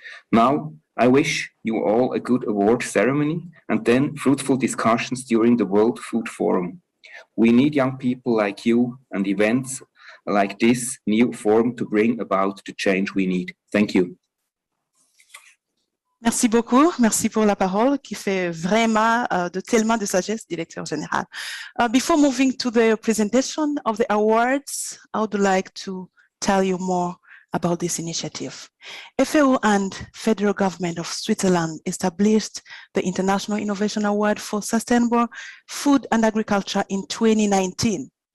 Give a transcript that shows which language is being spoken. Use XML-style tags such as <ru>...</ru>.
<en>Now, I wish you all a good award ceremony and then fruitful discussions during the World Food Forum. We need young people like you and events like this new forum to bring about the change we need. Thank you.</en> <fr>Merci beaucoup. Merci pour la parole qui fait vraiment de tellement de sagesse, Directeur Général.</fr> <en>Before moving to the presentation of the awards, I would like to tell you more about this initiative. FAO and Federal Government of Switzerland established the International Innovation Award for Sustainable Food and Agriculture in 2019.</en>